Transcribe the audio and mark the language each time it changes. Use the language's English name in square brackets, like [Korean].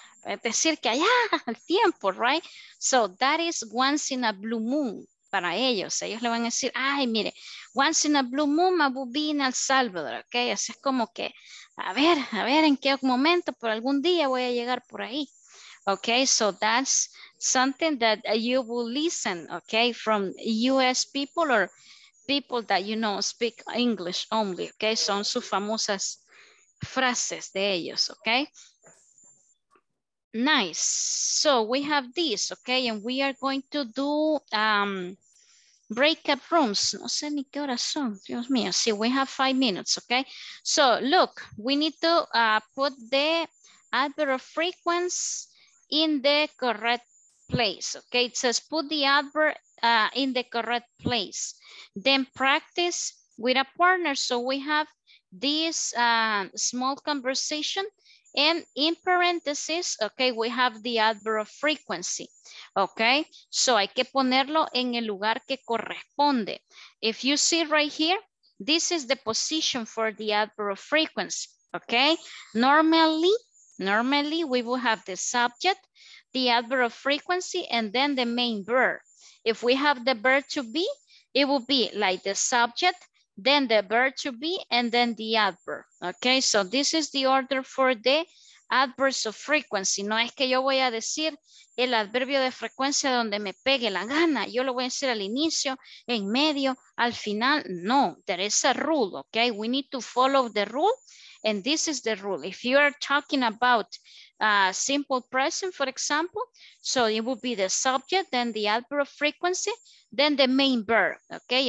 [Spanish] Es decir, que allá, al tiempo, [English] right? So that is once in a blue moon para ellos. [Spanish] Ellos le van a decir, ay, mire, [English] once in a blue moon, I will be in El Salvador, ¿ok? [Spanish] O sea, es como que, a ver en qué momento, por algún día voy a llegar por ahí. [English] Ok, so that's something that you will listen, ¿ok? From US people or people that you know speak English only, ¿ok? [Spanish] Son sus famosas frases de ellos, ¿ok? Nice. [English] So we have this, okay, and we are going to do breakout rooms. [Spanish] No sé ni qué horas son. Dios mío. Sí, [English] we have 5 minutes, [Spanish] okay. [English] So look, we need to put the adverb of frequency in the correct place. Okay, it says put the adverb in the correct place. Then practice with a partner. So we have this small conversation. And in parentheses, okay, we have the adverb of frequency, okay? [Spanish] So hay que ponerlo en el lugar que corresponde. [English] If you see right here, this is the position for the adverb of frequency, okay? Normally we will have the subject, the adverb of frequency, and then the main verb. If we have the verb to be, it will be like the subject, then the verb to be, and then the adverb. Okay, so this is the order for the adverbs of frequency. [Spanish] No es que yo voy a decir el adverbio de frecuencia donde me pegue la gana. Yo lo voy a decir al inicio, en medio, al final. [English] No, there is a rule, okay? We need to follow the rule, and this is the rule. If you are talking about simple present, for example, so it would be the subject, then the adverb of frequency, then the main verb, okay?